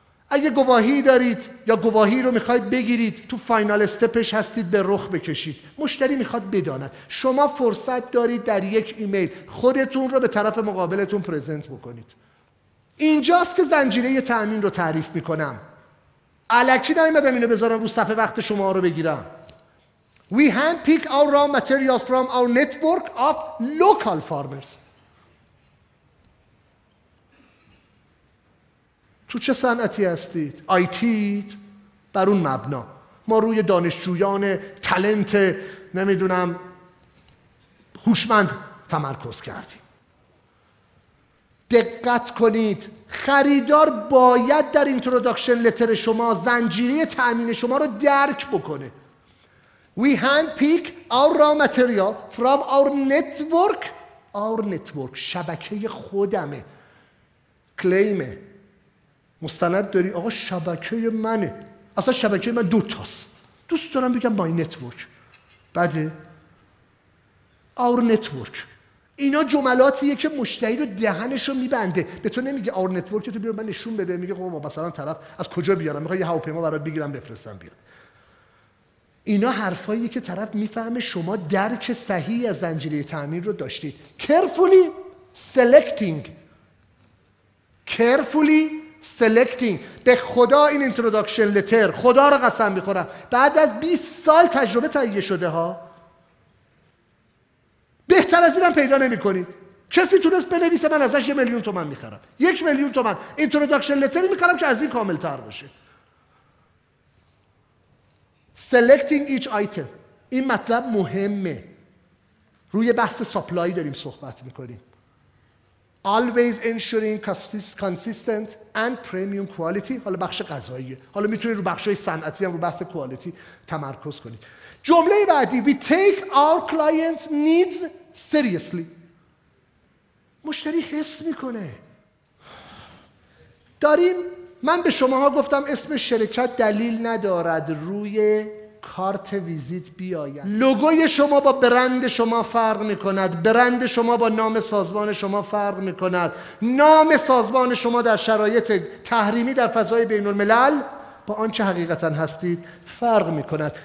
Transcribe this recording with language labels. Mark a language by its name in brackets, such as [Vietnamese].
[Persian] اگه گواهی دارید یا گواهی رو میخواید بگیرید، تو فاینال استپش هستید، به رخ بکشید. مشتری میخواد بداند. شما فرصت دارید در یک ایمیل خودتون رو به طرف مقابلتون پرزنت بکنید. اینجاست که زنجیره تأمین رو تعریف میکنم. الکی نمیدم اینو بذارم رو صفحه وقت شما رو بگیرم. [English] We hand pick our raw materials from our network of local farmers. [Persian] تو چه صنعتی هستید؟ آیتید؟ بر اون مبنا ما روی دانشجویان تلنت نمیدونم هوشمند تمرکز کردیم. دقت کنید، خریدار باید در اینتروداکشن لتر شما زنجیره تأمین شما رو درک بکنه. [English] We hand pick our raw material from our network. Our network [Persian] شبکه خودمه، کلیمه، مستند داری؟ آقا شبکه منه، اصلا شبکه من دوتاست، دوست دارم بگم [English] my network. [Persian] بده [English] our network، [Persian] اینا جملاتیه که مشتری رو دهنشو میبنده، به تو نمیگه our network، تو بیارم من نشون بده، میگه خب مثلا طرف از کجا بیارم، میخوای یه هواپیما برات بگیرم بفرستم بیارم. اینا حرفایی که طرف میفهمه شما درک صحیح از زنجیره تامین رو داشتید. [English] carefully selecting، carefully selecting. [Persian] به خدا این [English] introduction letter، [Persian] خدا رو قسم میخورم، بعد از 20 سال تجربه تهیه شده ها، بهتر از اینم پیدا نمیکنید. کسی تونست بنویسه من ازش 1,000,000 تومان میخرم، 1,000,000 تومان [English] introduction letter [Persian] میخرم که از این کامل تر باشه. [English] Selecting each item، [Persian] این مطلب مهمه. روی بحث سپلای داریم صحبت میکنیم. [English] Always ensuring consistent and premium quality. [Persian] حالا بخش غذاییه، حالا میتونید رو بخش های صنعتی هم رو بحث کوالیتی تمرکز کنید. جمله بعدی، [English] We take our clients' needs seriously. [Persian] مشتری حس میکنه. داریم، من به شماها گفتم اسم شرکت دلیل ندارد روی کارت ویزیت بیاید. لوگوی شما با برند شما فرق میکند، برند شما با نام سازمان شما فرق میکند، نام سازمان شما در شرایط تحریمی در فضای بین الملل با آنچه حقیقتا هستید فرق میکند.